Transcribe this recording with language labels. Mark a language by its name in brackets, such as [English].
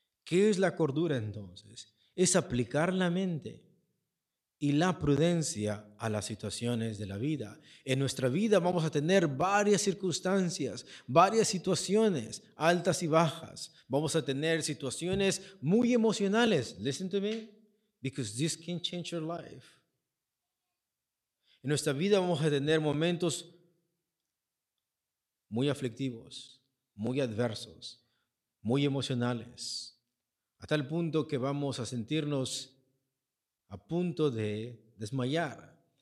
[Spanish] ¿Qué es la cordura entonces? Es aplicar la mente y la prudencia a las situaciones de la vida. En nuestra vida vamos a tener varias circunstancias, varias situaciones, altas y bajas. Vamos a tener situaciones muy emocionales. [English] Listen to me, because this can change your life. [Spanish] En nuestra vida vamos a tener momentos muy aflictivos, muy adversos, muy emocionales, a tal punto que vamos a sentirnos a punto de desmayar.